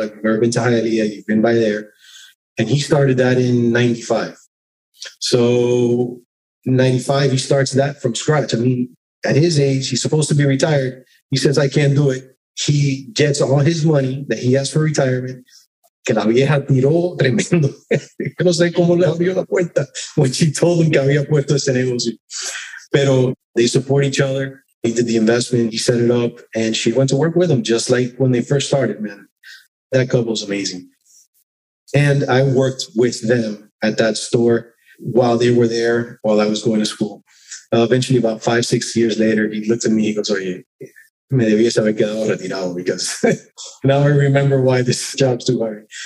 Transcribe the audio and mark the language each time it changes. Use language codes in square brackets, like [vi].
[en] If you've ever been to Hialeah, you've been by there. And he started that in 95. So 95, he starts that from scratch. I mean, at his age, he's supposed to be retired. He says, I can't do it. He gets all his money that he has for retirement. [es] Que la vieja tiró tremendo. No sé cómo le abrió la puerta [en] when she told him [es] que había puesto ese negocio. [en] Pero they support each other. He did the investment. He set it up. And she went to work with him, just like when they first started, man. That couple's amazing. And I worked with them at that store while they were there, while I was going to school. Eventually, about 5-6 years later, he looked at me, he goes, [es] oye, me debías haber quedado retirado, [en] because now I remember why this job's too hard.